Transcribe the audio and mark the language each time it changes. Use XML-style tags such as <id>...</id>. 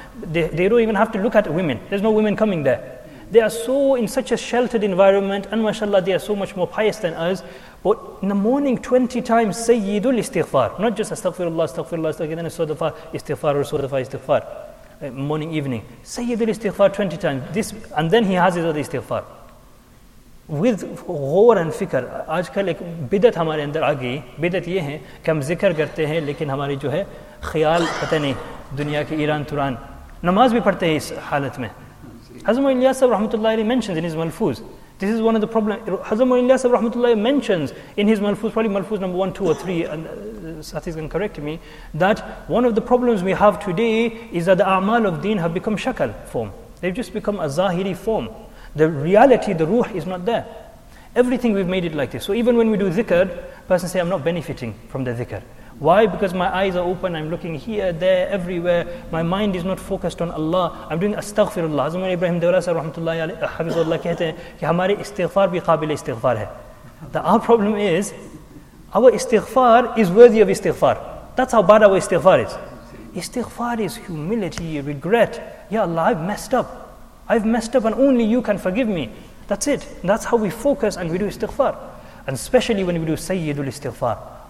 <en>They don't even have to look at women. There's no women coming there. They are so in such a sheltered environment, and mashallah, they are so much more pious than us. But in the morning, 20 times, Sayyidul Istighfar. Not just Astaghfirullah, Astaghfirullah, then Sodafa, Istighfar, Sodafa, Istighfar. Morning, evening. Sayyidul Istighfar 20 times. This, and then he has his other Istighfar. With ghor and fikr.</en> <ur>آج کل ایک بدعت ہمارے اندر آگئی. بدعت یہ ہے، کہ ہم ذکر کرتے ہیں، لیکن ہماری جو ہے، خیال پتا نہیں، دنیا کی ایران توران. نماز بھی پڑھتے ہیں اس حالت میں.</ur> <en>Hazrat Mawlana Ilyas Sahib rahmatullahi alayhi mentions in his malfuz. This is one of the problems. Hazrat Mawlana Ilyas Sahib rahmatullahi alayhi mentions in his malfuz, probably malfuz number 1, 2, or 3, and Sathis can correct me, that one of the problems we have today is that the a'mal of deen have become shakal form. They've just become a zahiri form. The reality, the ruh, is not there. Everything we've made it like this. So even when we do zikr, person say, I'm not benefiting from the zikr. Why? Because my eyes are open, I'm looking here, there, everywhere. My mind is not focused on Allah. I'm doing astaghfirullah.</en> <ur>حضرت مولانا ابراہیم دولا صاحب رحمۃ اللہ علیہ وسلم کہتے ہیں کہ ہمارے استغفار بھی قابل استغفار ہے.</ur> <en>Our problem is, our istighfar is worthy of istighfar. That's how bad our istighfar is. Istighfar is humility, regret. Ya Allah, I've messed up. I've messed up and only you can forgive me. That's it. That's how we focus and we do istighfar. And especially when we do Sayyidul Istighfar.</en>